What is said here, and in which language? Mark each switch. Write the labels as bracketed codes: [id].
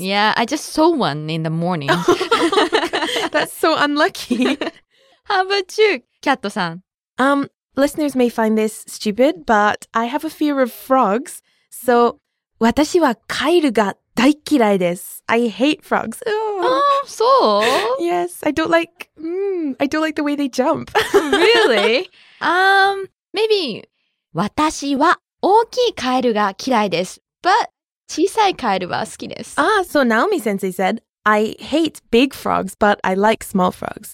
[en] Yeah, I just saw one in the morning. That's so unlucky. How about you, Kato-san? Listeners may find this stupid, but I have a fear of frogs. So, [ja] 私はカエルが大嫌いです. [en] I hate frogs. Oh, so? Yes, I don't like, I don't like the way they jump. Really? Maybe [ja] 私は大きいカエルが嫌いです。 [en] But [ja] 小さいカエルは好きです。 [en] Ah, so Naomi-sensei said, I hate big frogs, but I like small frogs.